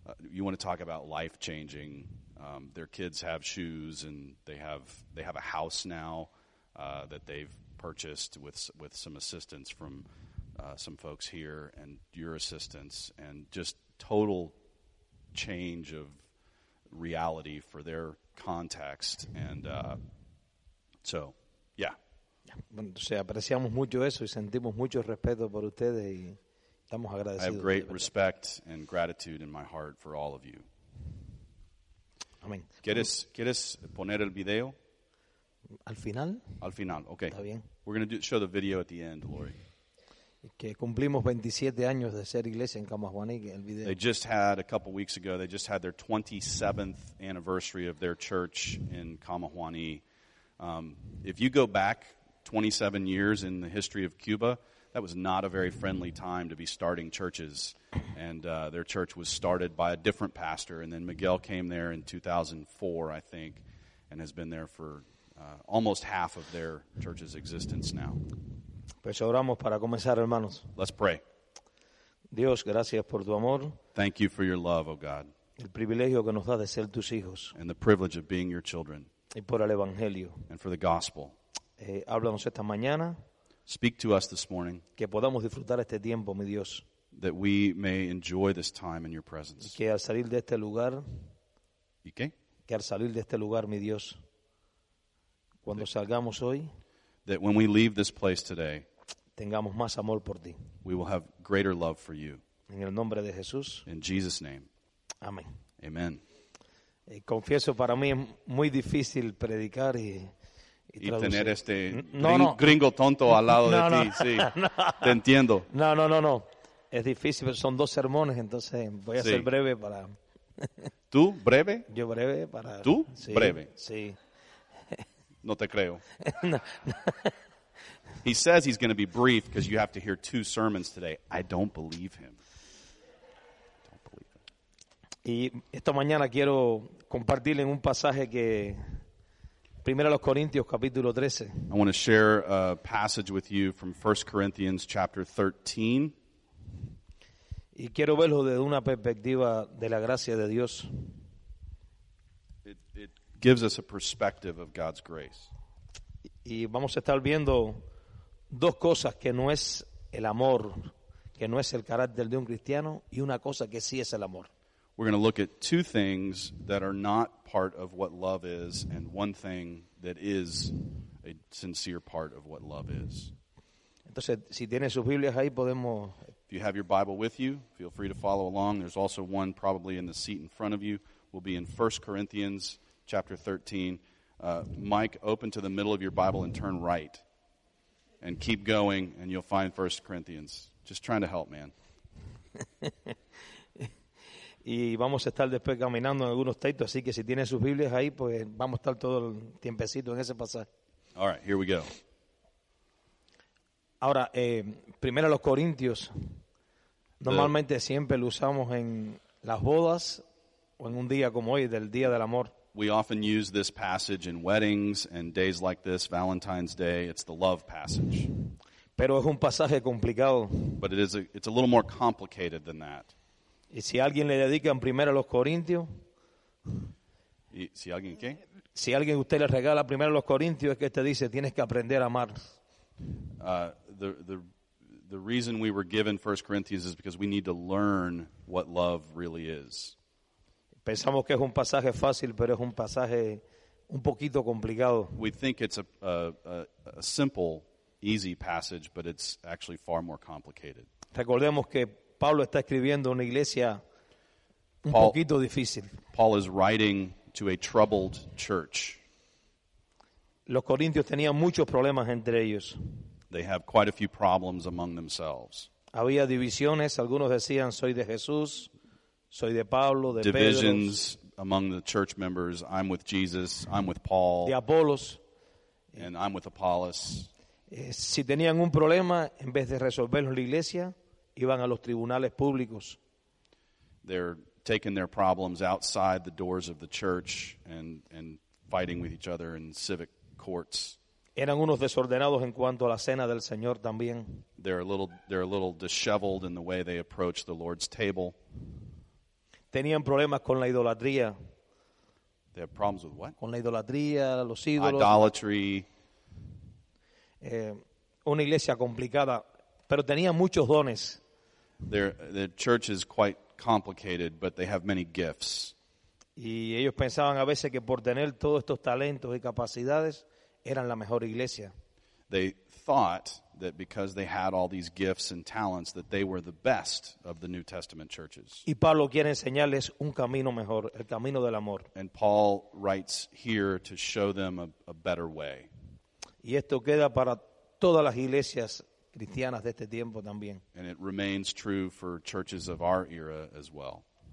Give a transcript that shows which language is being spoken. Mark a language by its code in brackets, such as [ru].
[en] You want to talk about life changing. Their kids have shoes and they have a house now that they've purchased with some assistance from some folks here and your assistance, and just total change of reality for their context. And so, yeah. [es] O sea, apreciamos mucho eso y sentimos mucho respeto por ustedes y [en] I have great respect and gratitude in my heart for all of you. Amen. [es] ¿Quieres poner el video? Al final. Al final, okay. Está bien. [en] We're going to show the video at the end, Lori. [es] Que cumplimos 27 años de ser iglesia en Camajuaní. El video. [en] They just had, a couple weeks ago, they just had their 27th anniversary of their church in Camajuaní. If you go back 27 years in the history of Cuba, that was not a very friendly time to be starting churches, and their church was started by a different pastor, and then Miguel came there in 2004, I think, and has been there for almost half of their church's existence now. [es] Pues oramos para comenzar, hermanos. [en] Let's pray. [es] Dios, gracias por tu amor. [en] Thank you for your love, oh God. [es] El privilegio que nos da de ser tus hijos. [en] And the privilege of being your children. [es] Y por el evangelio. [en] And for the gospel. [es] Háblanos esta mañana. [en] Speak to us this morning. [es] Que podamos disfrutar este tiempo, mi Dios. [en] That we may enjoy this time in your presence. [es] Que al salir de este lugar. ¿Y qué? Que al salir de este lugar, mi Dios. Cuando salgamos hoy. [en] That when we leave this place today. [es] Tengamos más amor por ti. [en] We will have greater love for you. [es] En el nombre de Jesús. [en] In Jesus' name. [es] Amén. [en] Amen. [es] Confieso, para mí es muy difícil predicar y tener este gringo tonto al lado de ti, sí, te entiendo. No, es difícil, pero son dos sermones, entonces voy a ser breve para... ¿Tú, breve? Yo breve para... ¿Tú, breve? Sí. No te creo. [en] He says he's going to be brief because you have to hear two sermons today. I don't believe him. [es] Y esta mañana quiero compartir en un pasaje que... Primera los Corintios, capítulo 13. [en] I want to share a passage with you from 1 Corinthians chapter 13. [es] Y quiero verlo desde una perspectiva de la gracia de Dios. [en] It gives us a perspective of God's grace. [es] Y vamos a estar viendo dos cosas que no es el amor, que no es el carácter de un cristiano, y una cosa que sí es el amor. [en] We're going to look at two things that are not part of what love is, and one thing that is a sincere part of what love is. [es] Entonces, si tienes sus Biblias ahí, podemos [en] you have your Bible with you, feel free to follow along. There's also one probably in the seat in front of you. We'll be in 1 Corinthians chapter 13. Mike, open to the middle of your Bible and turn right. And keep going, and you'll find 1 Corinthians. Just trying to help, man. [es] Y vamos a estar después caminando en algunos textos, así que si tienen sus Biblias ahí, pues vamos a estar todo el tiempecito en ese pasaje. [en] All right, here we go. [es] Ahora, primero los Corintios. Normalmente siempre lo usamos en las bodas o en un día como hoy, del Día del Amor. [en] We often use this passage in weddings and days like this, Valentine's Day. It's the love passage. [es] Pero es un pasaje complicado. [en] But it's a little more complicated than that. [es] Y si alguien le dedica en primero a los Corintios. ¿Y si alguien qué? Si alguien usted le regala primero a los Corintios, es que te dice, tienes que aprender a amar. [en] The reason we were given 1 Corinthians is because we need to learn what love really is. [es] Pensamos que es un pasaje fácil, pero es un pasaje un poquito complicado. [en] We think it's a simple, easy passage, but it's actually far more complicated. [es] Recordemos que Pablo está escribiendo una iglesia poquito difícil. [en] Paul is writing to a troubled church. [es] Los corintios tenían muchos problemas entre ellos. [en] They have quite a few problems among themselves. [es] Había divisiones, algunos decían soy de Jesús, soy de Pablo, de Pedro. [en] Divisions among the church members, I'm with Jesus, I'm with Paul. [es] De Apolos. [en] And I'm with Apollos. [es] Si tenían un problema, en vez de resolverlo en la iglesia, iban a los tribunales públicos. [en] They're taking their problems outside the doors of the church and fighting with each other in civic courts. [es] Eran unos desordenados en cuanto a la cena del Señor también. [en] They're a little disheveled in the way they approach the Lord's table. [es] Tenían problemas con la idolatría. [en] They have problems with what? [es] Con la idolatría, los ídolos. [en] Idolatry. [es] Una iglesia complicada, pero tenía muchos dones. [en] Their church is quite complicated, but they have many gifts. [es] Y ellos pensaban a veces que por tener todos estos talentos y capacidades eran la mejor iglesia. [en] They thought that because they had all these gifts and talents that they were the best of the New Testament churches. [es] Y Pablo quiere enseñarles un camino mejor, el camino del amor. [en] And Paul writes here to show them a better way. [es] Y esto queda para todas las iglesias cristianas de este tiempo también. [en] And it remains true for churches of our era as well.